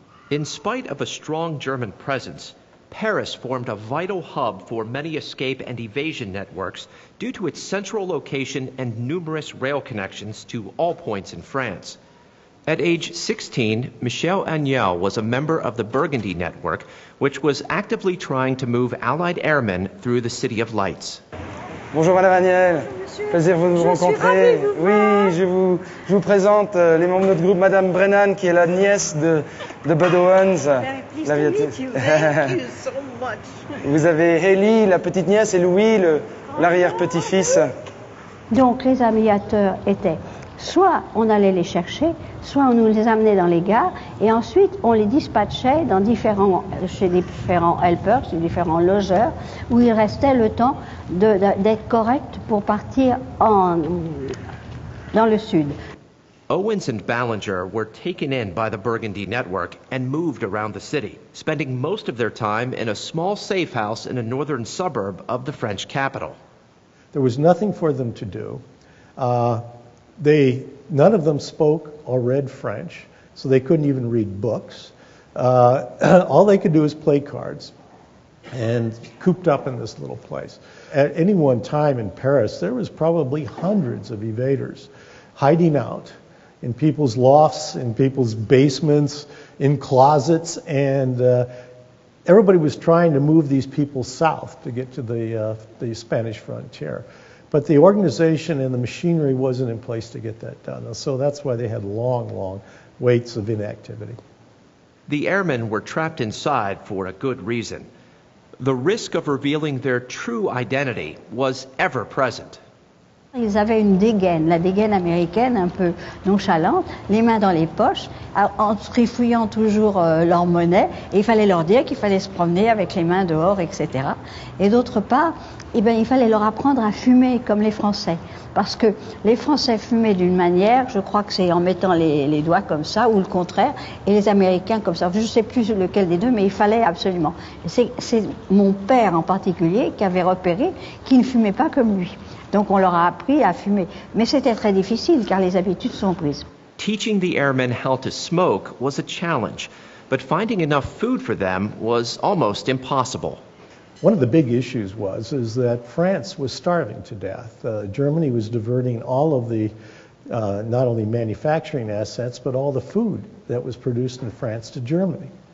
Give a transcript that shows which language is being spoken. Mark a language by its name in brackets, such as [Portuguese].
[English] In spite of a strong German presence, Paris formed a vital hub for many escape and evasion networks due to its central location and numerous rail connections to all points in France. At age 16, Michel Agnel was a member of the Burgundy Network, which was actively trying to move Allied airmen through the City of Lights. [French] Bonjour Madame Agnel. Plaisir de vous rencontrer. Oui, je vous présente les membres de notre groupe, Madame Brennan, qui est la nièce de Bud Owens. [English] Pleased to meet you. Thank you so much. [French] Vous avez Haley, la petite nièce, et Louis, l'arrière-petit-fils. Donc les aviateurs étaient, soit on allait les chercher, soit on nous les amenait dans les gares, et ensuite on les dispatchait dans différents, chez différents helpers, chez différents logeurs, où il restait le temps d'être correct pour partir dans le sud. [English] Owens and Ballinger were taken in by the Burgundy Network and moved around the city, spending most of their time in a small safe house in a northern suburb of the French capital. There was nothing for them to do. None of them spoke or read French, so they couldn't even read books. All they could do is play cards and cooped up in this little place. At any one time in Paris, there was probably hundreds of evaders hiding out in people's lofts, in people's basements, in closets, and everybody was trying to move these people south to get to the Spanish frontier. But the organization and the machinery wasn't in place to get that done. So that's why they had long, long waits of inactivity. The airmen were trapped inside for a good reason. The risk of revealing their true identity was ever present. [French] Ils avaient une dégaine, la dégaine américaine un peu nonchalante, les mains dans les poches, en trifouillant toujours leur monnaie. Et il fallait leur dire qu'il fallait se promener avec les mains dehors, etc. Et d'autre part, eh bien, il fallait leur apprendre à fumer comme les Français. Parce que les Français fumaient d'une manière, je crois que c'est en mettant les doigts comme ça, ou le contraire, et les Américains comme ça. Je ne sais plus lequel des deux, mais il fallait absolument. C'est mon père en particulier qui avait repéré qu'il ne fumait pas comme lui. Donc on leur a appris à fumer. Mais c'était très difficile car les habitudes sont prises. [English] Teaching the airmen how to smoke was a challenge, but finding enough food for them was almost impossible. One of the big issues was that France was starving to death. Germany was diverting all of the, not only manufacturing assets, but all the food that was produced in France to Germany.